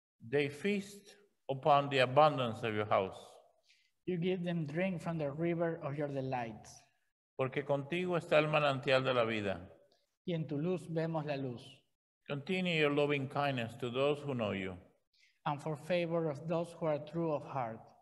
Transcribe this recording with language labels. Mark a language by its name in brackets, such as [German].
[English] They feast upon the abundance of your house. You give them drink from the river of your delights. [Spanish] Porque contigo está el manantial de la vida. Y en tu luz vemos la luz. [English] Continue your loving kindness to those who know you. And for favor of those who are true of heart.